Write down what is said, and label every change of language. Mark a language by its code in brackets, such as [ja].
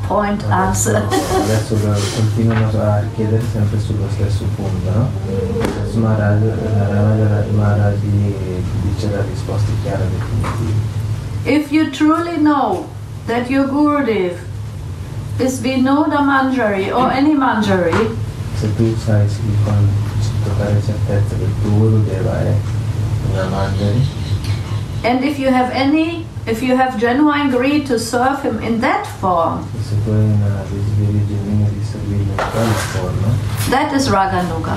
[en] If you truly know that your Gurudev is Vinoda Manjari or any Manjari, [it] se tu sai con certezza che il tuo Gurudev è una Manjari, [en] And if you have any, if you have genuine greed to serve him in that form, that is Raganuga.